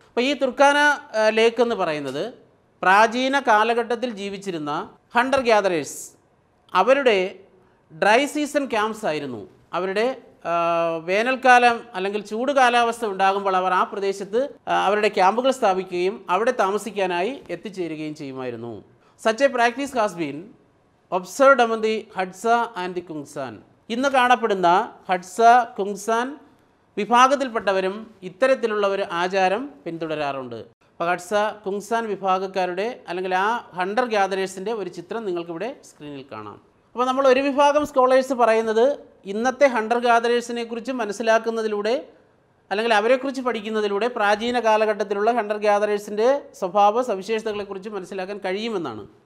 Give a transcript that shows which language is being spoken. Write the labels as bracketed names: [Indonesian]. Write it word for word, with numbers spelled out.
[Malayalam] അപ്പോൾ ഈ തുർക്കാന ലേക്ക് എന്ന് പറയുന്നത് പ്രാചീന കാലഘട്ടത്തിൽ ജീവിച്ചിരുന്ന ഹണ്ടർ ഗ്യാതറേഴ്സ് അവരുടെ ഡ്രൈ സീസൺ ക്യാമ്പ്സ് ആയിരുന്നു. അവരുടെ വേനൽക്കാലം അല്ലെങ്കിൽ ചൂട് കാലാവസ്ഥ ഉണ്ടാകുമ്പോൾ അവർ ആ പ്രദേശത്ത് അവരുടെ ക്യാമ്പുകൾ സ്ഥാപിക്കുകയും അവിടെ താമസിക്കാനായി എത്തിച്ചേരുകയും ചെയ്യുമായിരുന്നു. [English] Such a practice has been observed among the Hadza and the Kungsan. [Malayalam] ഇന്ന് കാണപ്പെടുന്ന ഹഡ്സ കുങ്സാൻ വിഭാഗത്തിൽപ്പെട്ടവരും ഇത്തരത്തിലുള്ള ഒരു ആചാരം പിന്തുടരാറുണ്ട്. അപ്പോൾ ഹഡ്സ കുങ്സാൻ വിഭാഗക്കാരുടെ അല്ലെങ്കിൽ ആ ഹണ്ടർ ഗ്യാതറേഴ്സിൻ്റെ ഒരു ചിത്രം നിങ്ങൾക്കിവിടെ സ്ക്രീനിൽ കാണാം. അപ്പോൾ നമ്മൾ ഒരു വിഭാഗം സ്കോളേഴ്സ് പറയുന്നത് ഇന്നത്തെ ഹണ്ടർ ഗ്യാതറേഴ്സിനെ കുറിച്ച് മനസ്സിലാക്കുന്നതിലൂടെ അല്ലെങ്കിൽ അവരെക്കുറിച്ച് പഠിക്കുന്നതിലൂടെ പ്രാചീന കാലഘട്ടത്തിലുള്ള ഹണ്ടർ ഗ്യാതറേഴ്സിൻ്റെ സ്വഭാവ സവിശേഷതകളെക്കുറിച്ച് മനസ്സിലാക്കാൻ കഴിയുമെന്നാണ്.